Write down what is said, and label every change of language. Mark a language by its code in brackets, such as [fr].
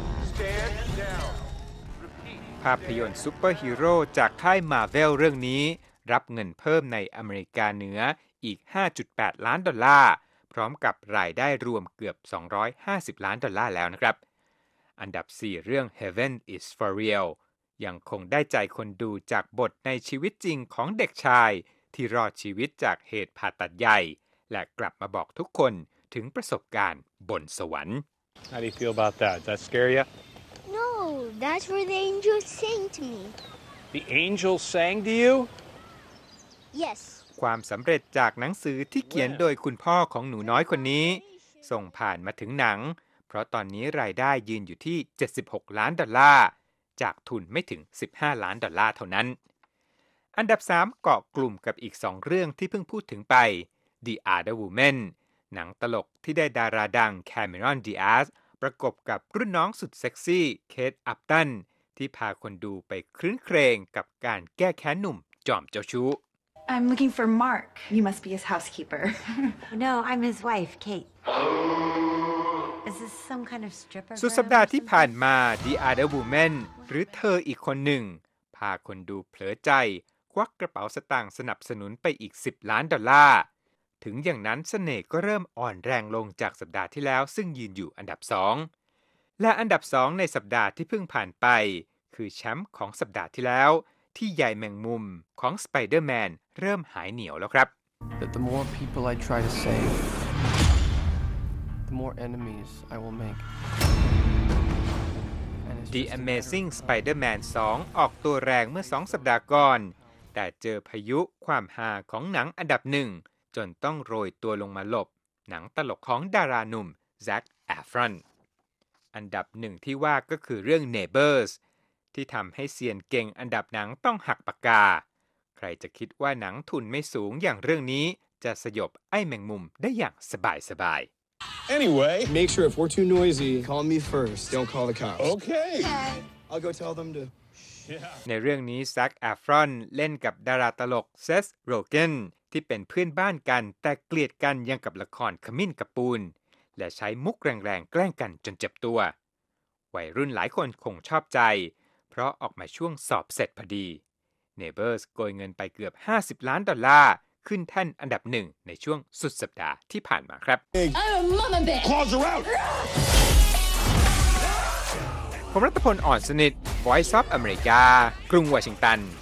[en] Stand down. [th] ภาพยนตร์ซุปเปอร์ฮีโร่จากค่าย Marvel เรื่องนี้รับเงินเพิ่มในอเมริกาเหนืออีก 5.8 ล้านดอลลาร์พร้อมกับรายได้รวมเกือบ250ล้านดอลลาร์แล้วนะครับอันดับ4เรื่อง Heaven is for Realยังคงได้ใจคนดูจากบทในชีวิตจริงของเด็กชายที่รอดชีวิตจากเหตุผ่าตัดใหญ่และกลับมาบอกทุกคนถึงประสบการณ์บนสวรรค์ [en] How do you feel about that? Does that scare you? No, that's where the angels sang to me. The angels sang to you? Yes. [th] ความสำเร็จจากหนังสือที่เขียนโดยคุณพ่อของหนูน้อยคนนี้ส่งผ่านมาถึงหนังเพราะตอนนี้รายได้ยืนอยู่ที่76ล้านดอลลาร์จากทุนไม่ถึง15ล้านดอลลาร์เท่านั้นอันดับ3เกาะกลุ่มกับอีก2เรื่องที่เพิ่งพูดถึงไป The Other Woman หนังตลกที่ได้ดาราดังแคมเมรอนดีอาสประกบกับรุ่นน้องสุดเซ็กซี่เคทอัพตันที่พาคนดูไปครึ้นเครงกับการแก้แค้นหนุ่มจอมเจ้าชู้ [en] I'm looking for Mark. You must be his housekeeper. No, I'm his wife, Kate. Is this some kind of stripper? [th] สุดสัปดาห์ที่ผ่านมา The Other Womanหรือเธออีกคนหนึ่งพาคนดูเผลอใจควักกระเป๋าสตางค์สนับสนุนไปอีก10ล้านดอลลาร์ถึงอย่างนั้นเสน่ห์ก็เริ่มอ่อนแรงลงจากสัปดาห์ที่แล้วซึ่งยืนอยู่อันดับ2และอันดับ2ในสัปดาห์ที่เพิ่งผ่านไปคือแชมป์ของสัปดาห์ที่แล้วที่ใหญ่แมงมุมของสไปเดอร์แมนเริ่มหายเหนียวแล้วครับ [en] But the more people I try to save the more enemies I will make [th] The Amazing Spider-Man 2 ออกตัวแรงเมื่อ2สัปดาห์ก่อนแต่เจอพายุความฮาของหนังอันดับ1จนต้องโรยตัวลงมาหลบหนังตลกของดาราหนุ่ม Zac Efron อันดับ1ที่ว่าก็คือเรื่อง Neighbors ที่ทำให้เซียนเก่งอันดับหนังต้องหักปากกาใครจะคิดว่าหนังทุนไม่สูงอย่างเรื่องนี้จะสยบไอ้แมงมุมได้อย่างสบายสบาย [en] Anyway, make sure if we're too noisy, call me first. Don't call the cops. Okay. I'll go tell them to. Yeah. [th] ในเรื่องนี้แซคแอฟรอนเล่นกับดาราตลกเซธโรเกนที่เป็นเพื่อนบ้านกันแต่เกลียดกันยังกับละครขมิ้นกับปูนและใช้มุกแรงๆแกล้งกันจนเจ็บตัว วัยรุ่นหลายคนคงชอบใจเพราะออกมาช่วงสอบเสร็จพอดี Neighbors โกยเงินไปเกือบ50ล้านดอลลาร์ขึ้นแท่นอันดับ1ในช่วงสุดสัปดาห์ที่ผ่านมาครับ ผมรัฐพลอ่อนสนิท Voice of America กรุงวอชิงตัน